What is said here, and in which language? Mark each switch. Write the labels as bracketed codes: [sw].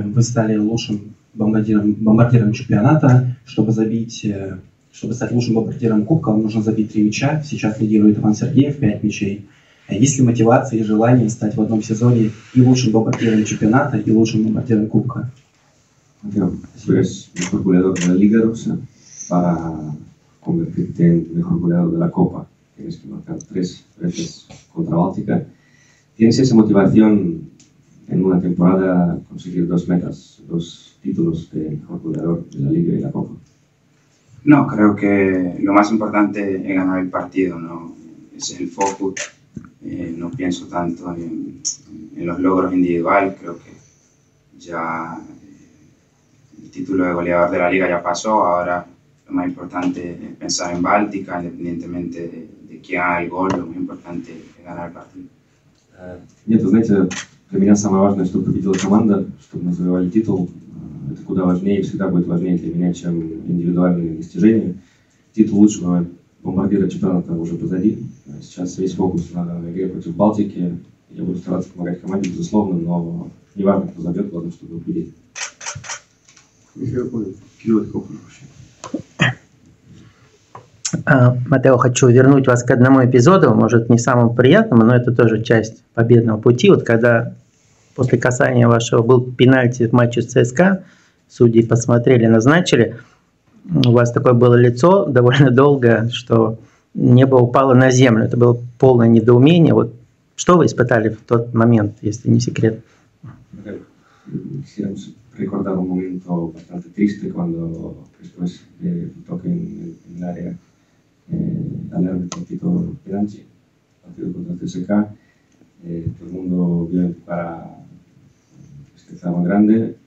[ru] Вы стали лучшим бомбардиром чемпионата. Чтобы стать лучшим бомбардиром Кубка, вам нужно забить 3 мяча. Сейчас лидирует Иван Сергеев, 5 мячей. Есть ли мотивация и желание стать в одном сезоне и лучшим бомбардиром чемпионата, и лучшим бомбардиром Кубка? [es] Mateo, tú eres mejor goleador de la Liga Rusa para convertirte en mejor goleador de la Copa. Tienes que marcar 3 veces contra Báltica. ¿Tienes esa motivación en una temporada conseguir 2 metas, 2 títulos de mejor goleador de la Liga y la Copa? No, creo que lo más importante es ganar el partido, ¿no? Ese es el focus. No pienso tanto en los logros individuales. Creo que ya el título de goleador de la liga ya pasó. Ahora lo más importante es pensar en Báltica, independientemente de quién haga el gol. Lo más importante es ganar el partido. [ru] Нет, вы знаете, для меня самое важное, чтобы победила команда, чтобы мы завоевали титул. Это куда важнее, всегда будет важнее для меня, чем индивидуальные достижения. Титул лучшего бомбардира чемпионата уже позади. Сейчас весь фокус на игре против Балтики. Я буду стараться помогать команде, безусловно, но не важно, кто забьет, главное, чтобы победили. Матео, хочу вернуть вас к одному эпизоду, может, не самому приятному, но это тоже часть победного пути. Вот когда после касания вашего был пенальти в матче с ЦСКА, судьи посмотрели, назначили, у вас такое было лицо довольно долго, что небо упало на землю. Это было полное недоумение. Вот что вы испытали в тот момент, если не секрет? [es] Quisiéramos recordar un momento bastante triste cuando después de un toque en el área al árbitro pitó penalti, partido contra el CSKA. Todo el mundo vio en tu cara este drama grande.